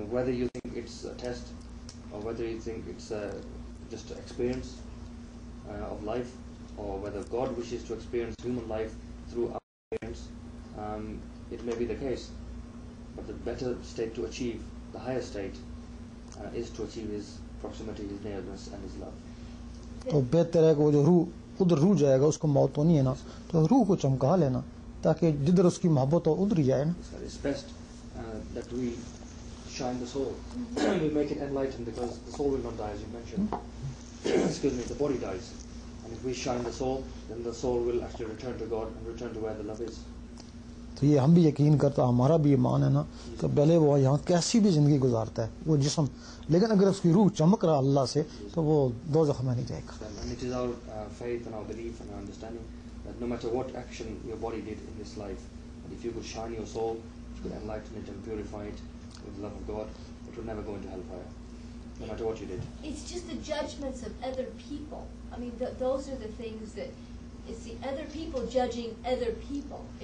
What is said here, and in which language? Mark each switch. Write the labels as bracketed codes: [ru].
[en] whether you think it's a test or whether you think it's just an experience of life or whether God wishes to experience human life through our experience it may be the case But the better state to achieve, the higher state, is to achieve his proximity, his nearness, and his love. [ur] تو بہتر ہے کہ وہ جو روح ادھر روح جائے گا اس کو موت تو نہیں ہے نا تو روح کو چمکا لینا تاکہ جدھر اس کی محبت ہو ادھر ہی جائے نا [en] It's best that we shine the soul. We make it enlightened because the soul will not die, as you mentioned. Excuse me, the body dies. And if we shine the soul, then the soul will actually return to God and return to where the love is. [ur] تو یہ ہم بھی یقین کرتا ہمارا بھی ایمان ہے نا کہ پہلے وہ یہاں کیسی بھی زندگی گزارتا ہے وہ جسم لیکن اگر اس کی روح چمک رہا اللہ سے تو وہ دوزخ میں نہیں جائے گا [en] and it is our faith and our belief and our understanding that no matter what action your body did in this life and if you could shine your soul if you could enlighten it and purify it with the love of God it would never go into hellfire no matter what you did it's just the judgments of other people I mean those are the things that It's the other people judging other people.